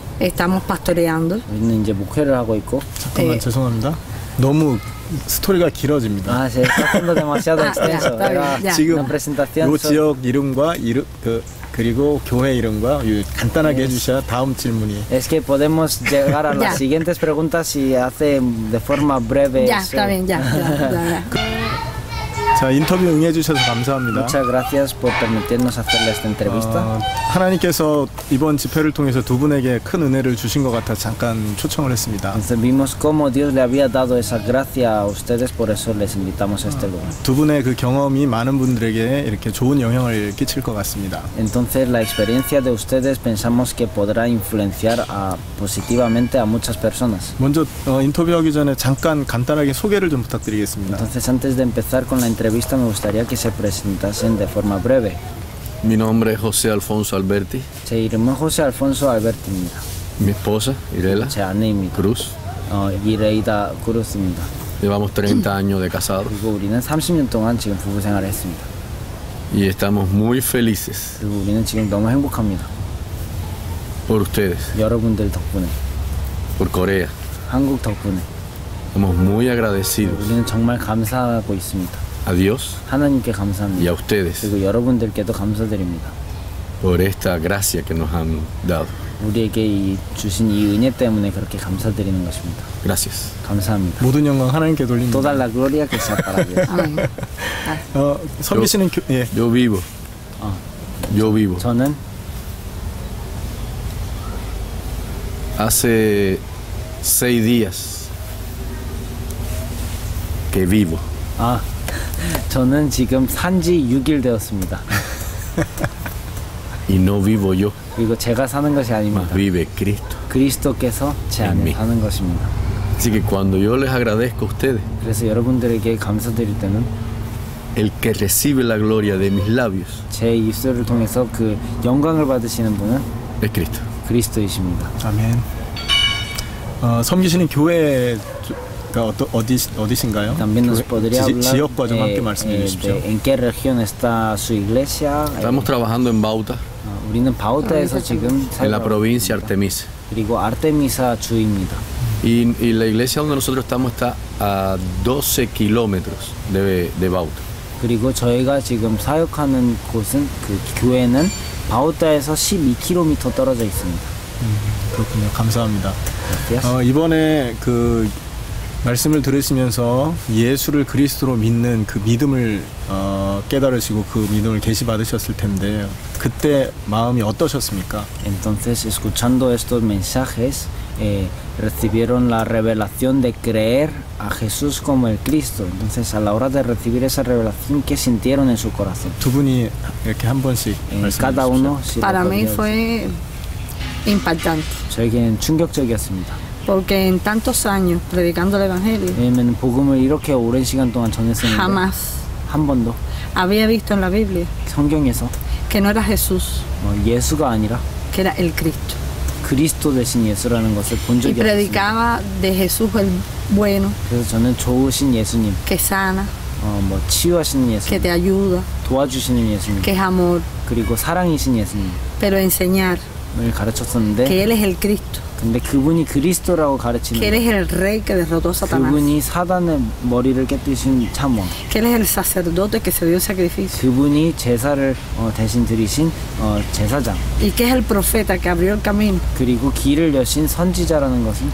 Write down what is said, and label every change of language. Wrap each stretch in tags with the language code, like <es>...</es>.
<es>estamos pastoreando</es> <ko>우리는 이제 목회를 하고 있고 잠깐만 죄송합니다. 너무 스토리가 길어집니다. 아, 제가 조금 더</ko> <es>demasiado extenso</es> <ko>지금 요 지역 이름과 이름 그 그리고 교회 이름과 간단하게 해주셔 다음 질문이.</ko> <es>Es que podemos llegar a las siguientes preguntas si hace de forma breve. Ya, está bien, ya.</es> <ko>자, 인터뷰 응해주셔서 감사합니다.</ko> <es>Muchas gracias por permitirnos hacerle esta entrevista.</es> <ko>하나님께서 이번 집회를 통해서 두 분에게 큰 은혜를 주신 것 같아 잠깐 초청을 했습니다.</ko> <es>Entonces vimos cómo Dios le había dado esa gracia a ustedes, por eso les invitamos a este lugar.</es> <ko>두 분의 그 경험이 많은 분들에게 이렇게 좋은 영향을 끼칠 것 같습니다.</ko> <es>Entonces la experiencia de ustedes pensamos que podrá influenciar positivamente a muchas personas.</es> <ko>먼저 인터뷰하기 전에 잠깐 간단하게 소개를 좀 부탁드리겠습니다.</ko> <es>Entonces antes de empezar con la entrevista me gustaría que se presentasen de forma breve. Mi nombre es José Alfonso Alberti. Se llama José Alfonso Alberti. Mi esposa, Irela. Se llama Cruz. Ireida Cruz. Llevamos 30 años de casados.</es> <ko>그리고 우리는 30년 동안 지금 부부 생활을 했습니다.</ko> <es>Y estamos muy felices.</es> <ko>그리고 우리는 지금 너무 행복합니다.</ko> <es>Por ustedes.</es> <ko>여러분들 덕분에.</ko> <es>Por Corea.</es> <ko>한국 덕분에.</ko> <es>Estamos muy agradecidos.</es> <ko>우리는 정말 감사하고 있습니다.</ko> <es>A Dios</es> <ko>하나님께 감사합니다.</ko> <es>Y a ustedes</es> <ko>그리고 여러분들께도 감사드립니다.</ko> <es>Por esta gracia que nos han dado</es> <ko>우리에게 주신 이 은혜 때문에 그렇게 감사드리는 것입니다.</ko> <es>Gracias</es> <ko>감사합니다. 모든 영광 하나님께 돌립니다.</ko> <es>Toda la gloria que sea para Dios.</es> <ko>선비 씨는</ko> <es>예. Yo vivo. Yo vivo.</es> <ko>저는</ko> <es>hace 6 días que vivo.</es> <ko>저는 지금 산지 6일 되었습니다.</ko> <es>Y no vivo yo.</es> <ko>그리고 제가 사는 것이 아닙니다.</ko> <es>Vive Cristo.</es> <ko>그리스도께서 제 안에 사는 것입니다.</ko> <es>Así que cuando yo les agradezco a ustedes.</es> <ko>그래서 여러분들에게 감사드릴 때는</ko> <es>El que recibe la gloria de mis labios.</es> <ko>제 입술을 통해서 그 영광을 받으시는 분은</ko> <es>Es Cristo.</es> <ko>그리스도이십니다. 아멘. 섬기시는 교회 어디신가요?</ko> <es>También nos podría hablar de en qué región está su iglesia. Estamos trabajando en Bauta.</es> <ko>우리는 바우타에서 지금</ko> <es>en la provincia Artemis.</es> <ko>그리고 아르테미사 주입니다.</ko> <es>Y la iglesia donde nosotros estamos está a 12 kilómetros de Bauta.</es> <ko>그리고 저희가 지금 사역하는 곳은 그 교회는 바우타에서 12km 떨어져 있습니다. 그렇군요. 감사합니다. 이번에 그 말씀을 들으시면서 예수를 그리스도로 믿는 그 믿음을 깨달으시고 그 믿음을 계시 받으셨을 텐데 그때 마음이 어떠셨습니까?</ko> <es>Entonces escuchando estos mensajes recibieron la revelación de creer a Jesús como el Cristo. Entonces a la hora de recibir esa revelación, ¿qué sintieron en su corazón?</es> <ko>두 분이 이렇게 한 번씩</ko> <es>cada uno. Para mí fue impactante.</es> <ko>저에게는 충격적이었습니다.</ko> <es>Porque en tantos años predicando el evangelio.</es> <ko>왜냐면 복음을 이렇게 오랜 시간 동안 전했었는데.</ko> <es>Jamás.</es> <ko>한 번도.</ko> <es>Había visto en la Biblia.</es> <ko>성경에서.</ko> <es>Que no era Jesús.</es> <ko>예수가 아니라.</ko> <es>Que era el Cristo.</es> <ko>그리스도 대신 예수라는 것을 본 적이 없습니다.</ko> <es>Y predicaba de Jesús el bueno.</es> <ko>그래서 저는 좋으신 예수님.</ko> <es>Que sana.</es> <ko>치유하시는 예수님.</ko> <es>Que te ayuda.</es> <ko>도와주시는 예수님.</ko> <es>Que es amor.</es> <ko>그리고 사랑이신 예수님.</ko> <es>Pero enseñar.</es> <ko>을 가르쳤었는데.</ko> <es>Que él es el Cristo.</es> <ko>근데 그분이 그리스도라고 가르치는.</ko> <es>Que él es el rey que derrotó a Satanás.</es> <ko>그분이 사단의 머리를 깨뜨신 참왕.</ko> <es>Que él es el sacerdote que se dio sacrificio.</es> <ko>그분이 제사를 대신 드리신 제사장.</ko> <es>Y que es el profeta que abrió el camino.</es> <ko>그리고 길을 여신 선지자라는 것은.</ko>